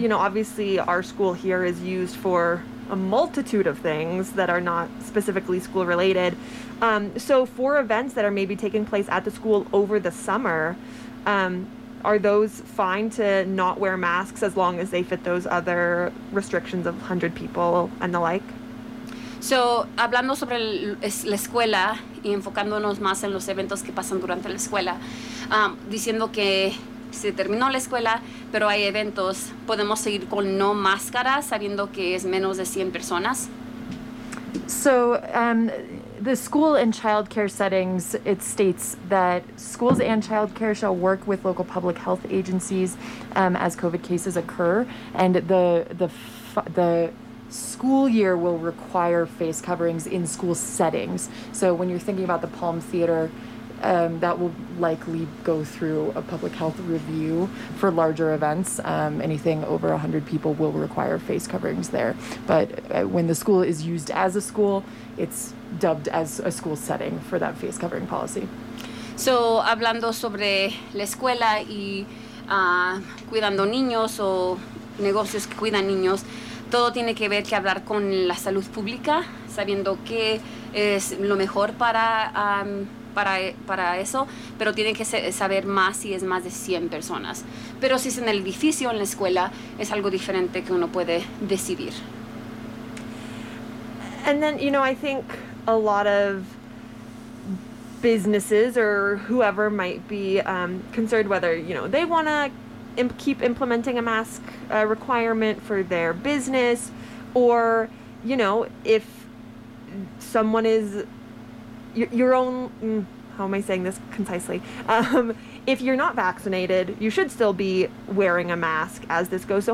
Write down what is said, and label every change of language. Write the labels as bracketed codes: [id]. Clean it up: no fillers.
[en] You know, obviously our school here is used for a multitude of things that are not specifically school related. So for events that are maybe taking place at the school over the summer, are those fine to not wear masks as long as they fit those other restrictions of 100 people and the like? [es] So, hablando sobre la escuela y enfocándonos más en los eventos que pasan durante la escuela, diciendo que se terminó la escuela, pero hay eventos, podemos seguir con no máscara, sabiendo que es menos de 100 personas. [en] So, the school and childcare settings, it states that schools and childcare shall work with local public health agencies as COVID cases occur, and the school year will require face coverings in school settings. So when you're thinking about the Palm Theater, that will likely go through a public health review for larger events. Anything over 100 people will require face coverings there. But when the school is used as a school, it's dubbed as a school setting for that face covering policy. [es] So, hablando sobre la escuela y cuidando niños o negocios que cuidan niños, todo tiene que ver que hablar con la salud pública, sabiendo qué es lo mejor para eso, pero tienen que saber más si es más de 100 personas. Pero si es en el edificio o en la escuela, es algo diferente que uno puede decidir. [en] And then, you know, I think a lot of businesses or whoever might be concerned whether, you know, they want to keep implementing a mask requirement for their business, or, you know, if someone is if you're not vaccinated, you should still be wearing a mask as this goes.